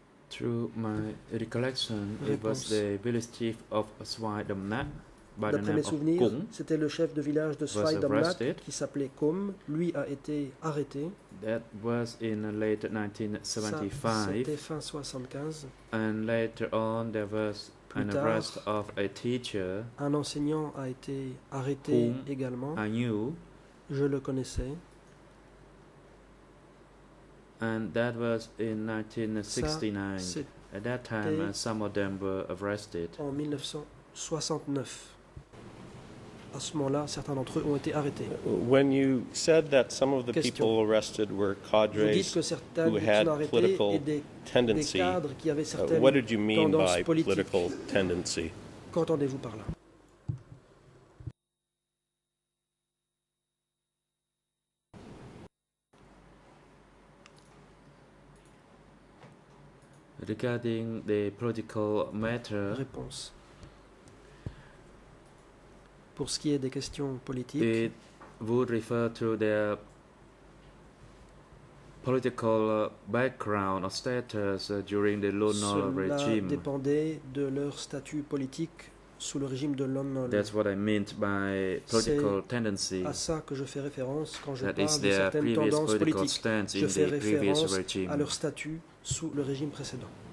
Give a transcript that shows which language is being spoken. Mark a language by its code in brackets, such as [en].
[en] Through my recollection, it was the village chief of Swai Damnat, by the name of Kum. [fr] C'était le chef de village de Swai Damnat qui s'appelait Kum. Lui a été arrêté. [en] That was in late 1975. [fr] C'était fin 75. [en] And later on, there was an arrest of a teacher. [fr] Un enseignant a été arrêté également. [en] I knew. [fr] Je le connaissais. [en] And that was in 1969. At that time, some of them were arrested. [fr] En 1969. À ce moment-là, certains d'entre eux ont été arrêtés. [en] When you said that some of the people arrested were cadres who had political tendency, what did you mean by political tendency? [fr] Qu'entendez-vous par là? [en] Regarding the political matter. [fr] Réponse. Pour ce qui est des questions politiques, [en] it would refer to their political background or status during the Lon Nol regime. [fr] Cela dépendait de leur statut politique sous le régime de Lon Nol. [en] That's what I meant by political tendency. [fr] C'est à ça que je fais référence quand je parle de certaines tendances politiques. Je fais référence à leur statut sous le régime précédent.